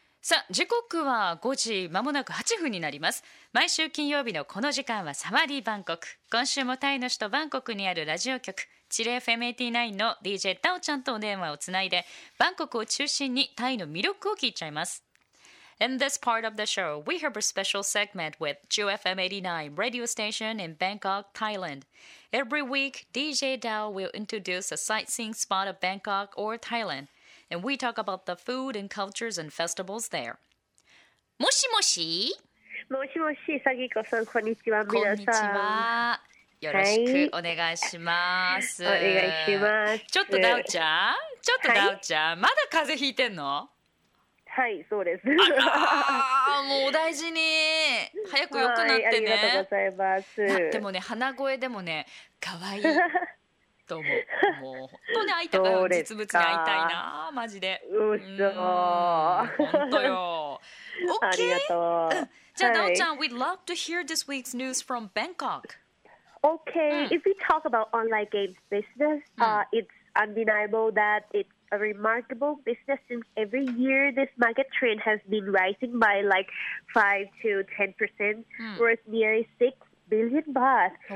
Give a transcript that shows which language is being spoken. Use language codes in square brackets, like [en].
[ja] さあ時刻は5時まもなく8分になります。毎週金曜日のこの時間はサマリーバンコク、今週もタイの首都バンコクにあるラジオ局チレ FM89 の DJ タオちゃんとお電話をつないでバンコクを中心にタイの魅力を聞いちゃいます。 [en] In this part of the show, we have a special segment with JFM 89 radio station in Bangkok, Thailand. Every week, DJ Dao will introduce a sightseeing spot of Bangkok or Thailand, and we talk about the food and cultures and festivals there. [ja] もしもし。もしもし、サギコさん、こんにちは、皆さん。こんにちは。よろしくお願いします。はい、お願いします。ちょっとダオちゃん、ちょっとダオちゃん、まだ風邪ひいてんの？はい、そうです。あ、もうお大事に、早く良くなってね。はい、ありがとうございます。でもね、鼻声でもね、可愛いと思う。もう本当に会いたい、実物に会いたいな、マジで。うっそ。本当よ。OK? ありがとう。じゃあ、はい、 [en] なおちゃん、We'd love to hear this week's news from Bangkok. Okay,、うん、if we talk about online games business,、it's undeniable that it'sA remarkable business since every year this market trend has been rising by like 5 to 10%、worth nearly 6 billion baht.、